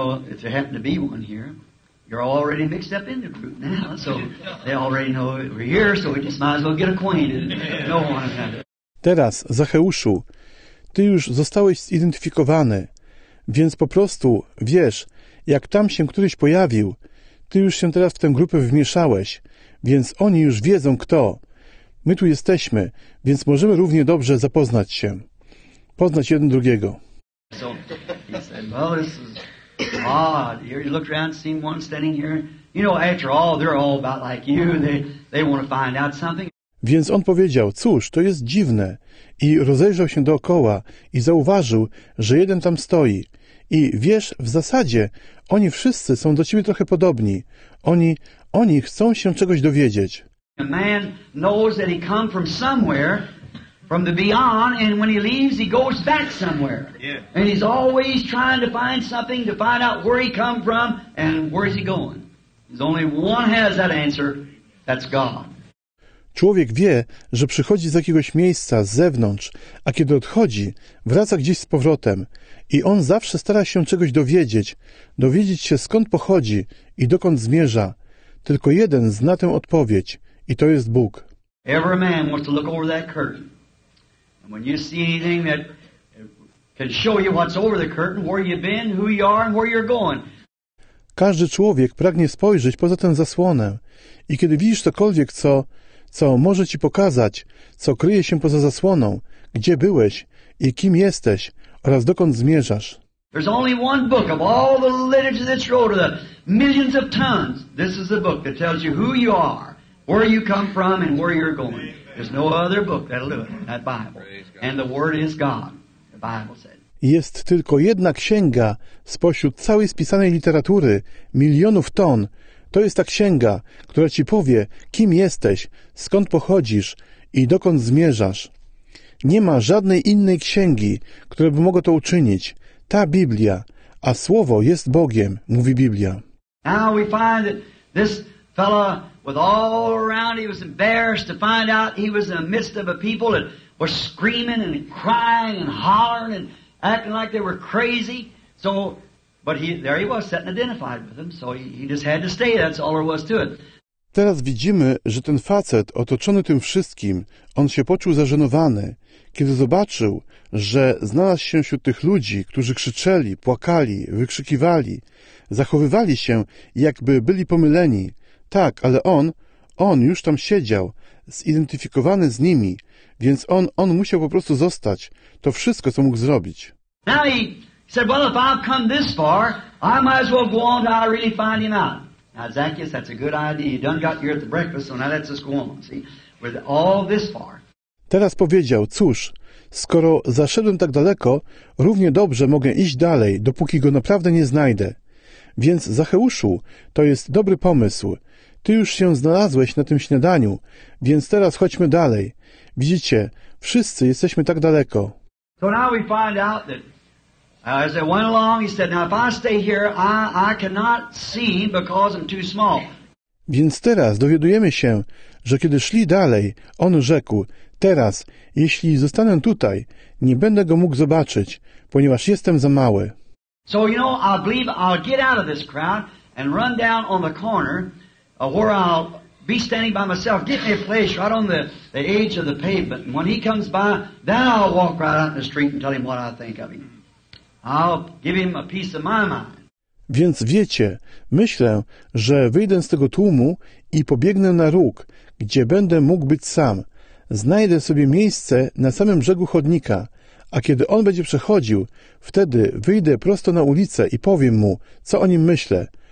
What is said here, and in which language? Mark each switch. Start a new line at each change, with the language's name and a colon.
English: If there happened to be one here, you're already mixed up in the group now, so they already know we're here, so we just might as well get acquainted. No one had it.
Polish: Teraz, Zacheuszu, ty już zostałeś zidentyfikowany, więc po prostu wiesz, jak tam się któryś pojawił, ty już się teraz w tę grupę wmieszałeś, więc oni już wiedzą kto. My tu jesteśmy, więc możemy równie dobrze zapoznać się. Poznać jeden drugiego.
English: So, he said, well, this is odd. Here you look around and see one standing here. You know, after all, they're all about like you. They want to find out something.
Polish: Więc on powiedział, cóż, to jest dziwne. I rozejrzał się dookoła i zauważył, że jeden tam stoi. I wiesz, w zasadzie, oni wszyscy są do ciebie trochę podobni. Oni chcą się czegoś dowiedzieć.
English: A man knows that he come from somewhere, from the beyond, and when he leaves, he goes back somewhere. Yeah. And he's always trying to find something to find out where he come from and where is he going. There's only one has that answer, that's God.
Polish: Człowiek wie, że przychodzi z jakiegoś miejsca, z zewnątrz, a kiedy odchodzi, wraca gdzieś z powrotem. I on zawsze stara się czegoś dowiedzieć się skąd pochodzi i dokąd zmierza. Tylko jeden zna tę odpowiedź i to jest Bóg.
English: Every man wants to look over that curtain. And when you see anything that can show you what's over the curtain, where you've been, who you are and where you're going.
Polish: Każdy człowiek pragnie spojrzeć poza tę zasłonę i kiedy widzisz cokolwiek, co może ci pokazać, co kryje się poza zasłoną, gdzie byłeś i kim jesteś oraz dokąd zmierzasz.
English: There's only one book of all the literature that's wrote of the millions of tons. This is the book that tells you who you are, where you come from and where you're going. There's no other book that'll do it, that Bible. And the word is God, the Bible said.
Polish: Jest tylko jedna księga spośród całej spisanej literatury, milionów ton. To jest ta księga, która ci powie, kim jesteś, skąd pochodzisz i dokąd zmierzasz. Nie ma żadnej innej księgi, która by mogła to uczynić. Ta Biblia, a Słowo jest Bogiem, mówi Biblia.
English: Now we find that this fellow was all around, he was embarrassed to find out he was in the midst of a people that were screaming and crying and hollering and acting like they were crazy. So, but there he was, sitting identified with them, so he just had to stay, that's all there was to it.
Polish: Teraz widzimy, że ten facet otoczony tym wszystkim, on się poczuł zażenowany, kiedy zobaczył, że znalazł się wśród tych ludzi, którzy krzyczeli, płakali, wykrzykiwali, zachowywali się, jakby byli pomyleni. Tak, ale on już tam siedział, zidentyfikowany z nimi, więc on musiał po prostu zostać. To wszystko, co mógł zrobić.
English: Now he said, well, if I've come this far, I might as well go on to really find him out. Now, Zacchaeus, that's a good idea. You done got here at the breakfast, so now let's just go on, see? With all this far.
Polish: Teraz powiedział, cóż, skoro zaszedłem tak daleko, równie dobrze mogę iść dalej, dopóki go naprawdę nie znajdę. Więc Zacheuszu, to jest dobry pomysł. Ty już się znalazłeś na tym śniadaniu, więc teraz chodźmy dalej. Widzicie, wszyscy jesteśmy tak daleko.
English: So now we find out that as I went along, he said, now if I stay here, I cannot see because I'm too small.
Polish: Więc teraz dowiadujemy się, że kiedy szli dalej, on rzekł, teraz, jeśli zostanę tutaj, nie będę go mógł zobaczyć, ponieważ jestem za mały.
English: So, you know, I believe I'll get out of this crowd and run down on the corner where I'll be standing by myself. Get me a place right on the edge of the pavement. And when he comes by, then I'll walk right out in the street and tell him what I think of him. I'll give him a piece of my mind.
Polish: Więc wiecie, myślę, że wyjdę z tego tłumu i pobiegnę na róg, gdzie będę mógł być sam. Znajdę sobie miejsce na samym brzegu chodnika, a kiedy on będzie przechodził, wtedy wyjdę prosto na ulicę i powiem mu, co o nim myślę.